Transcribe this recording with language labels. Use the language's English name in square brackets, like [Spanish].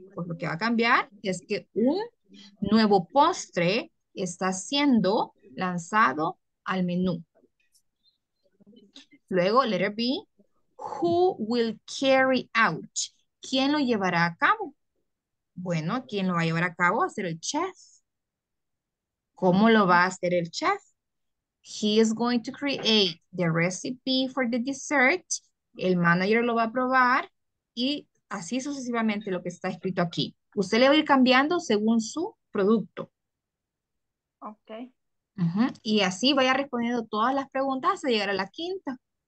[Spanish] Pues lo que va a cambiar es que un nuevo postre está siendo lanzado al menú. [English] Luego, letter B, who will carry out? [Spanish] ¿Quién lo llevará a cabo? Bueno, ¿quién lo va a llevar a cabo? Va a ser el chef. ¿Cómo lo va a hacer el chef? [English] He is going to create the recipe for the dessert. [Spanish] El manager lo va a probar y así sucesivamente lo que está escrito aquí. Usted le va a ir cambiando según su producto. Ok. Uh-huh. Y así vaya respondiendo todas las preguntas hasta llegar a la 5ª.